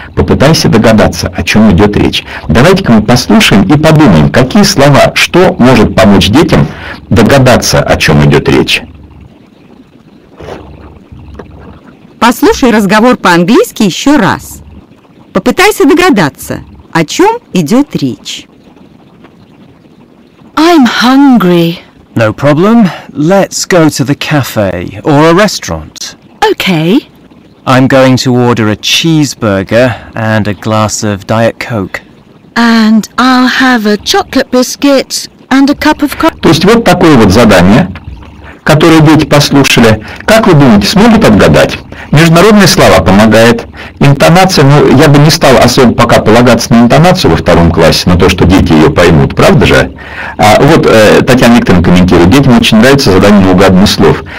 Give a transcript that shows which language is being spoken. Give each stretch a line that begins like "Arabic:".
Russian: Попытайся догадаться, о чем идет речь. Давайте-ка мы послушаем и подумаем, какие слова, что может помочь детям догадаться, о чем идет речь. Послушай разговор по-английски еще раз. Попытайся догадаться, о чем идет речь.
English: I'm hungry. No problem. Let's go to the cafe or a restaurant. Okay. I'm going to order a cheeseburger and a glass of Diet Coke. And I'll have a chocolate biscuit and a cup of coffee.
Russian: То есть вот такое вот задание, которое дети послушали. Как вы думаете, смогут отгадать? Международные слова помогают. Интонация, ну, я бы не стал особо пока полагаться на интонацию во втором классе, на то, что дети ее поймут, правда же? А вот Татьяна Викторовна комментирует, детям очень нравится задание неугадных слов.